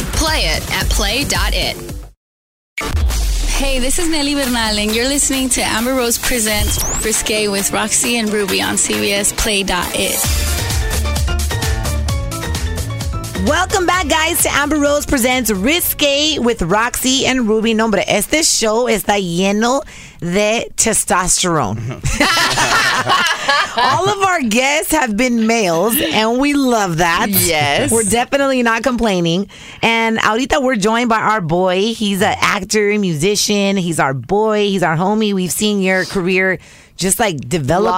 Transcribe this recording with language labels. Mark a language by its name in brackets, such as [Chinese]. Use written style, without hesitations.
[English] Play it at play.it. Hey, this is Nelly Bernal, and you're listening to Amber Rose Presents Risqué with Roxy and Ruby on CBS Play.it. Welcome back, guys, to Amber Rose Presents Risqué with Roxy and Ruby. [Spanish] No, hombre, este show está lleno de testosterone. [English] All of our guests have been males, and we love that. Yes. We're definitely not complaining. And ahorita we're joined by our boy. He's an actor, musician. He's our boy. He's our homie. We've seen your career just like develop